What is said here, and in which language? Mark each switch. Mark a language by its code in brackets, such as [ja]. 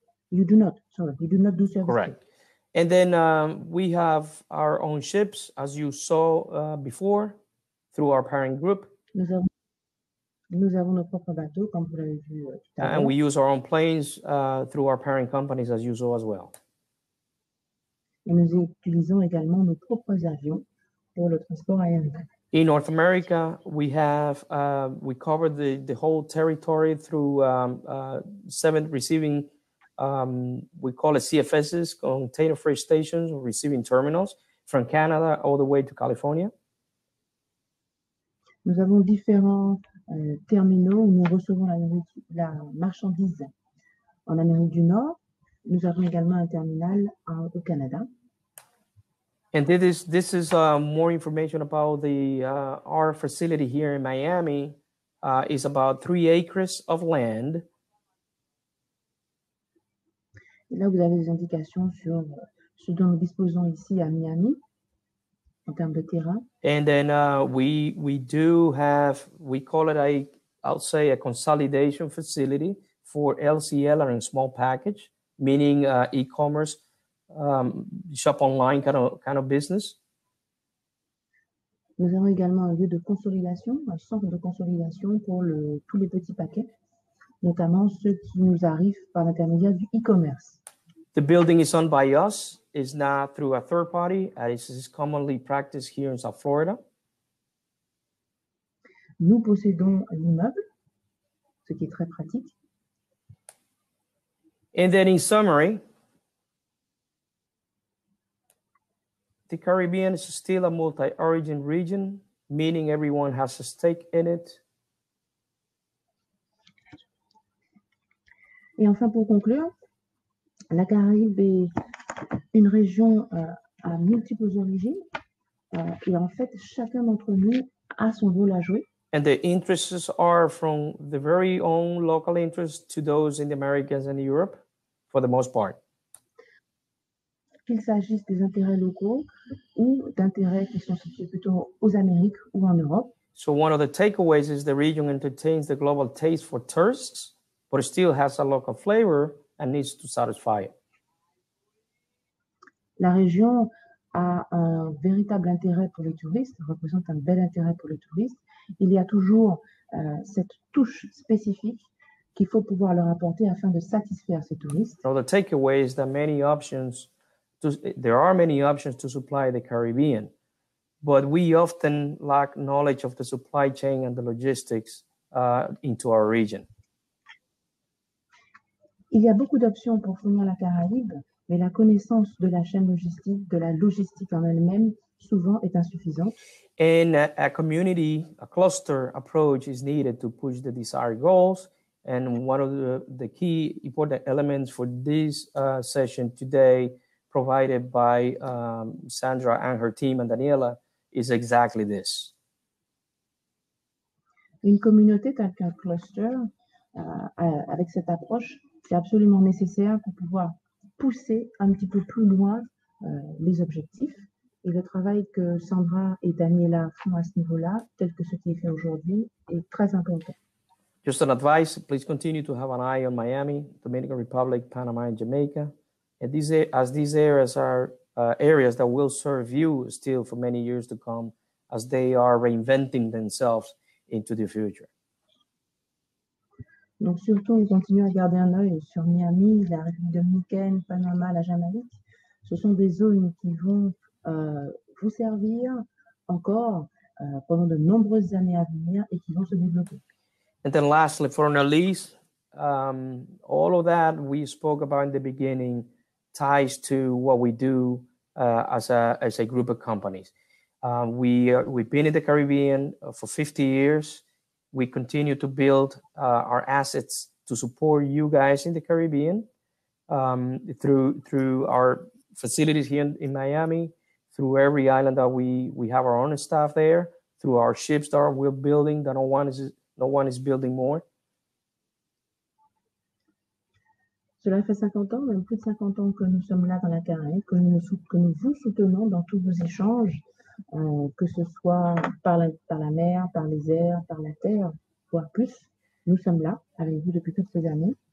[en] You do not, sorry, you do not do service. Correct. Cuba. And then we have our own ships, as you saw before, through our parent group. [fr] Nous avons nos propres bateaux, comme vous l'avez vu tout à l'heure. [en] And we use our own planes through our parent companies, as you saw as well. [fr] Et nous utilisons également nos propres avions pour le transport aérien. [en] In North America, we have we cover the whole territory through seven receiving. We call it CFSs, container freight stations, receiving terminals, from Canada all the way to California. [fr] Nous avons différents terminaux où nous recevons la marchandise en Amérique du Nord. Nous avons également un terminal au Canada. [en] And this is more information about the our facility here in Miami. Is about 3 acres of land. [fr] Là, vous avez des indications sur ce dont nous disposons ici à Miami en termes de terrain. [en] And then we do have, we call it, I'll say, a consolidation facility for LCL or in small package, meaning e-commerce, shop online kind of business. [fr] Nous avons également un lieu de consolidation, un centre de consolidation pour tous les petits paquets, notamment ceux qui nous arrivent par l'intermédiaire du e-commerce. [en] The building is owned by us, is not through a third party, as is commonly practiced here in South Florida. [fr] Nous possédons l'immeuble, ce qui est très pratique. [en] And then in summary, the Caribbean is still a multi-origin region, meaning everyone has a stake in it. [fr] Et enfin, pour conclure, la Caraïbe est une région à multiples origines et en fait, chacun d'entre nous a son rôle à jouer. [en] And the interests are from the very own local interests to those in the Americas and Europe, for the most part. [fr] Qu'il s'agisse des intérêts locaux ou d'intérêts qui sont situés plutôt aux Amériques ou en Europe. [en] So one of the takeaways is the region entertains the global taste for tourists, but it still has a local flavor and needs to satisfy it. [fr] La région a un véritable intérêt pour les touristes, représente un bel intérêt pour les touristes. Il y a toujours cette touche spécifique qu'il faut pouvoir leur apporter afin de satisfaire ces touristes. [en] So the takeaway is that there are many options to supply the Caribbean, but we often lack knowledge of the supply chain and the logistics into our region. [fr] Il y a beaucoup d'options pour fournir la Caraïbe, mais la connaissance de la chaîne logistique, de la logistique en elle-même, souvent est insuffisante. [en] And a community, a cluster approach is needed to push the desired goals. And one of the key important elements for this session today, provided by Sandra and her team and Daniela, is exactly this. [fr] Une communauté telle qu'un cluster, avec cette approche, c'est absolument nécessaire pour pouvoir pousser un petit peu plus loin les objectifs. Et le travail que Sandra et Daniela font à ce niveau-là, tel que ce qui est fait aujourd'hui, est très important. [en] Just an advice, please continue to have an eye on Miami, Dominican Republic, Panama and Jamaica. And these areas are areas that will serve you still for many years to come as they are reinventing themselves into the future. [fr] Donc surtout, on continue à garder un œil sur Miami, la République dominicaine, Panama, la Jamaïque. Ce sont des zones qui vont vous servir encore pendant de nombreuses années à venir et qui vont se développer. [en] And then lastly, for Annalise, all of that we spoke about in the beginning ties to what we do as a group of companies. We've been in the Caribbean for 50 years. We continue to build our assets to support you guys in the Caribbean through our facilities here in Miami, through every island that we have our own staff there, through our ships that we're building that no one is building more. [fr] Cela fait 50 ans, même plus de 50 ans que nous sommes là dans la Caraïbe, que nous vous soutenons dans tous vos échanges, que ce soit par la mer, par les airs, par la terre, voire plus. Nous sommes là avec vous depuis quelques années.